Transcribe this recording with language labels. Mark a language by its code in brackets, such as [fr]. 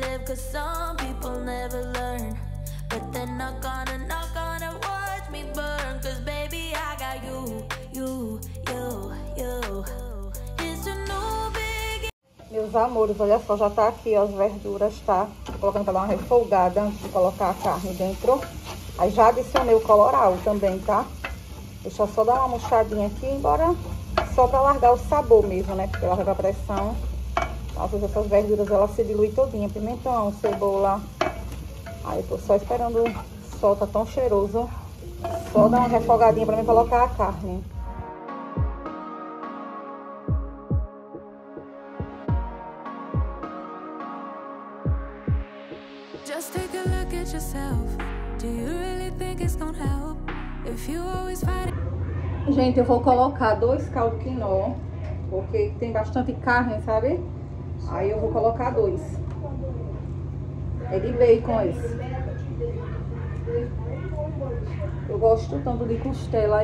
[en] Cause some people never learn. But they're not gonna, not gonna watch me burn. Cause baby, I got you, you, you, you. It's a new beginning. [pt] Meus amores, olha só, já tá aqui ó, as verduras, tá? Colocando pra dar uma refogada antes de colocar a carne dentro. Aí já adicionei o colorau também, tá? Deixa eu só dar uma murchadinha aqui, embora só pra largar o sabor mesmo, né? Porque larga a pressão. Nossa, essas verduras, ela se dilui todinha. Pimentão, cebola. Aí eu tô só esperando, solta tão cheiroso. Só dar uma refogadinha pra mim colocar a carne. [en] Just take a look at yourself. Do you really think it's gonna help? If you always fight it. [pt] Gente, eu vou colocar dois caldo quinó, porque tem bastante carne, sabe? Aí eu vou colocar dois. É de bacon esse. Eu gosto tanto de costela.